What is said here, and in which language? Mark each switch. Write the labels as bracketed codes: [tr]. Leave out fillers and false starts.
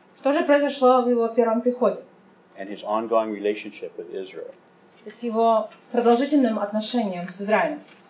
[ru] Что же произошло в его первом приходе? [en] And his ongoing relationship with Israel. [ru] С его продолжительным отношением с Израилем.